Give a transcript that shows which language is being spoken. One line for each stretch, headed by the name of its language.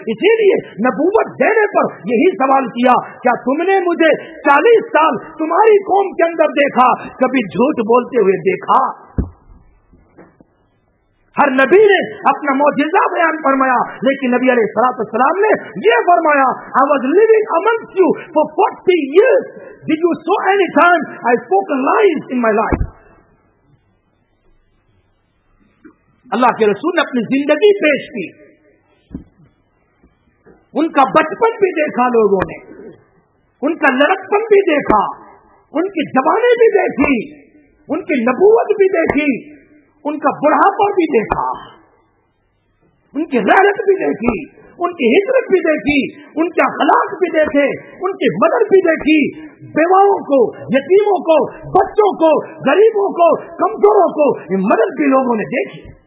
Urdu: اسی لیے نبوت دینے پر یہی سوال کیا, کیا تم نے مجھے 40 سال تمہاری قوم کے اندر دیکھا, کبھی جھوٹ بولتے ہوئے دیکھا؟ ہر نبی نے اپنا معجزہ بیان فرمایا, لیکن نبی علیہ الصلوۃ والسلام نے یہ فرمایا,
English: I was living amongst you for 40 years. Did you saw any time I spoke lies in my life?
Urdu: اللہ کے رسول نے اپنی زندگی پیش کی, ان کا بچپن بھی دیکھا لوگوں نے, ان کا لڑکپن بھی دیکھا, ان کی جوانی بھی دیکھی, ان کی نبوت بھی دیکھی, ان کا بڑھاپا بھی دیکھا, ان کی رحلت بھی دیکھی, ان کی ہجرت بھی دیکھی, ان کے اخلاق بھی دیکھے, ان کی مدد بھی دیکھی, بیواؤں کو, یتیموں کو, بچوں کو, غریبوں کو, کمزوروں کو مدد بھی لوگوں نے دیکھی.